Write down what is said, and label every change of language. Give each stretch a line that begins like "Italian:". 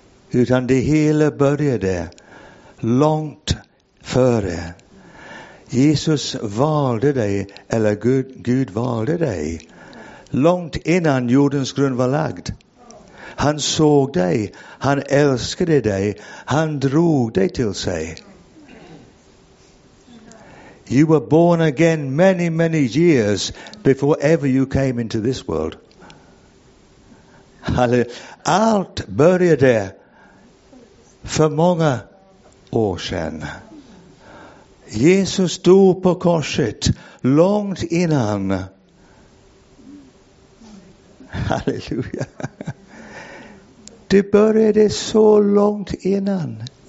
Swedish: Utan det hela började långt före. Jesus valde dig, eller Gud valde dig. långt innan jordens grund var lagd. Han såg dig, han älskade dig, han drog dig till sig.
English: You were born again many, many years before ever you came into this world.
Swedish: Allt började för många år sedan. Jesus dog på korset långt innan. Halleluja. Det började så långt innan.